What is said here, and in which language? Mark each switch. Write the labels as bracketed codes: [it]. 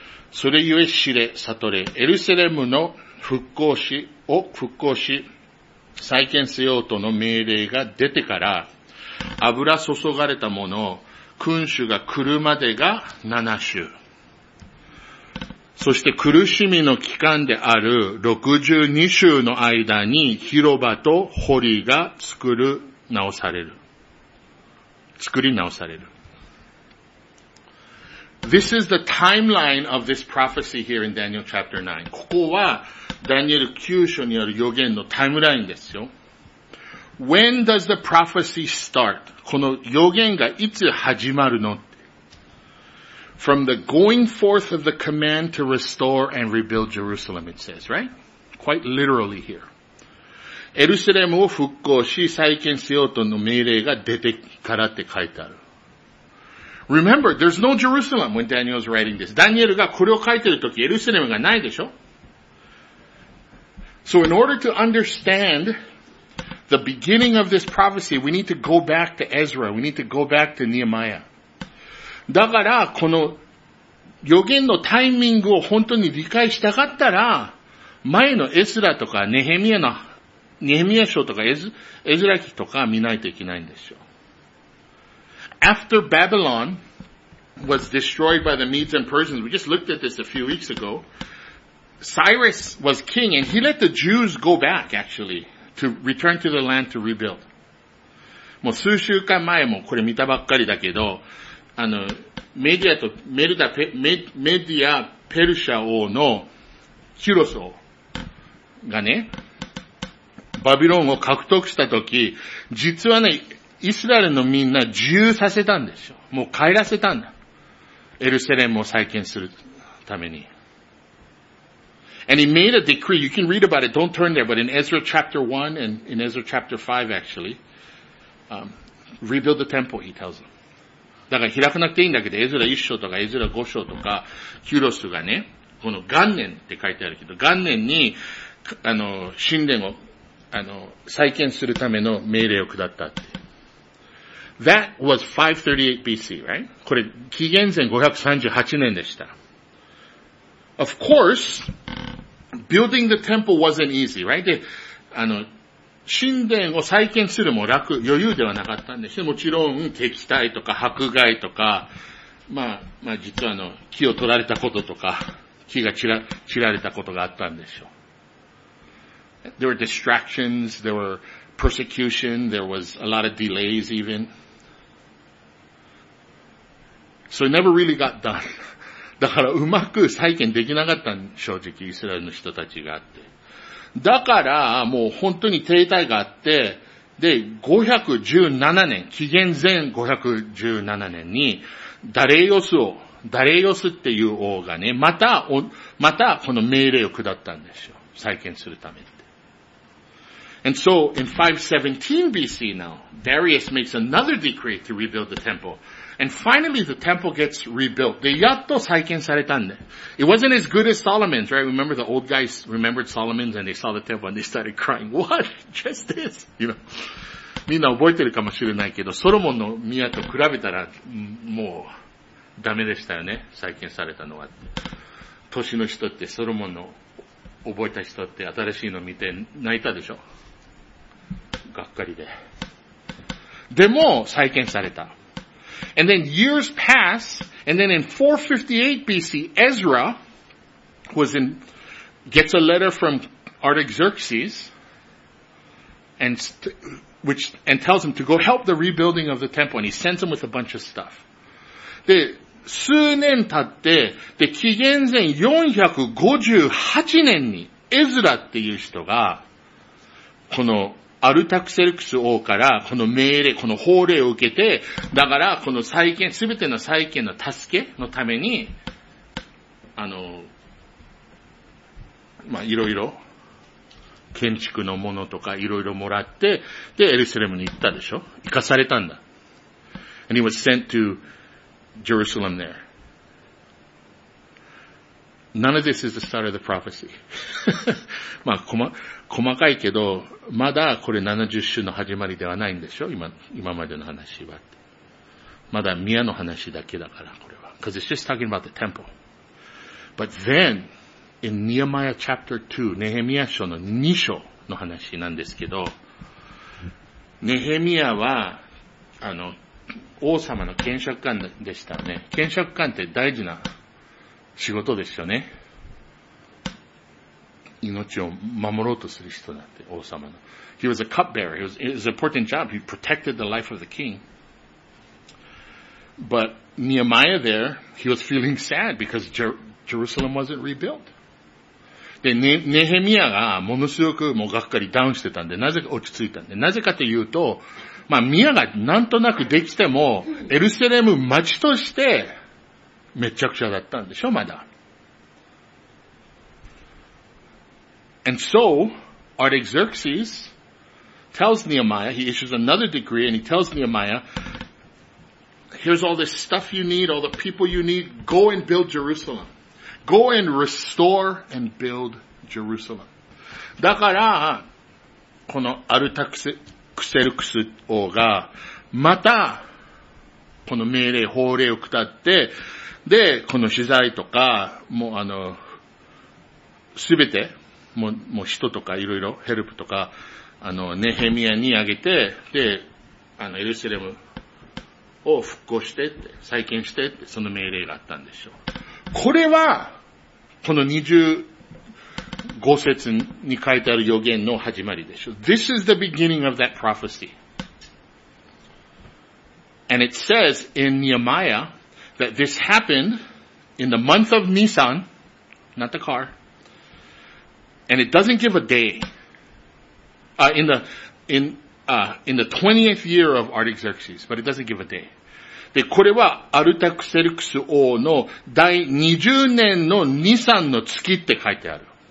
[ja] それゆえ知れ、悟れ、エルサレムの復興し、を復興し、再建せようとの命令が出てから、油注がれたものを、君主が来るまでが7週。そして苦しみの期間である62週の間に、広場と堀が作り直される。作り直される。 [en] This is the timeline of this prophecy here in Daniel chapter 9. [ja] ここはダニエル9章にある予言のタイムラインですよ。 [en] When does the prophecy start? [ja] この予言がいつ始まるの? [en] From the going forth of the command to restore and rebuild Jerusalem, it says, right? Quite literally here. [ja] エルサレムを復興し再建しようとの命令が出てからって書いてある。 [en] Remember, there's no Jerusalem when Daniel is writing this. [ja] Daniel がこれを書いてるとき、エルサレムがないでしょ? [en] So in order to understand the beginning of this prophecy, we need to go back to Ezra. We need to go back to Nehemiah. [ja] だから、この予言のタイミングを本当に理解したかったら、前のエスラとかネヘミヤ書とかエズラ記とか見ないといけないんですよ。 [en] After Babylon was destroyed by the Medes and Persians, we just looked at this a few weeks ago, Cyrus was king and he let the Jews go back actually to return to the land to rebuild. [ja] もう数週間前もこれ見たばっかりだけど、メディアとメルダペ、メディアペルシャ王のキュロス王がね、バビロンを獲得したとき、実はね、イスラエルのみんな自由させたんですよ。もう帰らせたんだ。エルサレムを再建するために。 [en] And he made a decree. You can read about it. Don't turn there. But in Ezra chapter 1 and in Ezra chapter 5 actually, rebuild the temple, he tells them. [ja] だから開かなくていいんだけど、エズラ1章とかエズラ5章とか、キュロスがね、この元年って書いてあるけど、元年に、神殿を、再建するための命令を下ったって。 [en] That was 538 BC, right? [ja] これ、紀元前538年でした。 [en] Of course, building the temple wasn't easy, right? [ja] で、神殿を再建するも楽、余裕ではなかったんですよ。もちろん、敵対とか、迫害とか、まあ、実は木を取られたこととか、木が散られたことがあったんでしょう。 [en] There were distractions, there were persecution, there was a lot of delays even. So it never really got done. [ja] だからうまく再建できなかったん、正直、イスラエルの人たちがあって。だから、もう本当に停滞があって、で、517年、紀元前517年に、ダレイオスっていう王がね、またこの命令を下ったんですよ。再建するためって。 [en] And so, in 517 BC now, Darius makes another decree to rebuild the temple. And finally, the temple gets rebuilt. [ja] で、やっと再建されたんで。 [en] It wasn't as good as Solomon's, right? Remember, the old guys remembered Solomon's and they saw the temple and they started crying. What? Just this? You know. [ja] みんな覚えてるかもしれないけど、ソロモンの宮と比べたら、もう、ダメでしたよね。再建されたのは。年の人って、ソロモンの覚えた人って、新しいの見て泣いたでしょ。がっかりで。でも、再建された。 [en] And then years pass, and then in 458 BC, Ezra gets a letter from Artaxerxes, and tells him to go help the rebuilding of the temple, and he sends him with a bunch of stuff. [ja] 数年経って、で、紀元前458年に、エズラっていう人が、このアルタクセルクス王から、この命令、この法令を受けて、だから、この再建、すべての再建の助けのために、まあ、いろいろ、建築のものとかいろいろもらって、で、エルサレムに行ったでしょ？行かされたんだ。 [en] And he was sent to、Jerusalem there. None of this is the start of the prophecy. [ja] まあ、細かいけど、まだこれ70週の始まりではないんでしょ？今までの話は。まだ宮の話だけだから、これは。 [en] Because it's just talking about the temple. But then, in Nehemiah chapter 2, [ja] ネヘミヤ書の2章の話なんですけど、ネヘミヤは、王様の検釈官でしたね。検釈官って大事な仕事ですよね。命を守ろうとする人だって、王様の。 [en] He was a cupbearer. It was an important job. He protected the life of the king. But Nehemiah there, he was feeling sad because Jerusalem wasn't rebuilt. [ja] で、ネヘミヤがものすごくもうがっかりダウンしてたんで、なぜか落ち着いたんで、なぜかというと、まあ、宮がなんとなくできても、エルサレム町として、めちゃくちゃだったんでしょ、まだ。 [en] And so, Artaxerxes tells Nehemiah, he issues another decree, and he tells Nehemiah, here's all this stuff you need, all the people you need, go and build Jerusalem. Go and restore and build Jerusalem. [ja] だから、このアルタクセ、クセルクス王が、また、この命令、法令を下って、で、この資材とか、もうすべて、もう人とかいろいろ、ヘルプとか、ネヘミヤにあげて、で、エルサレムを復興してって、再建してって、その命令があったんでしょう。これは、この25節に書いてある予言の始まりでしょ。 [en] This is the beginning of that prophecy. And it says in Nehemiah that this happened in the month of Nisan, not the car, and it doesn't give a day, in the 20th year of Artaxerxes, but it doesn't give a day. [ja] で、これはアルタクセルクス王の第20年のニサンの月って書いてある。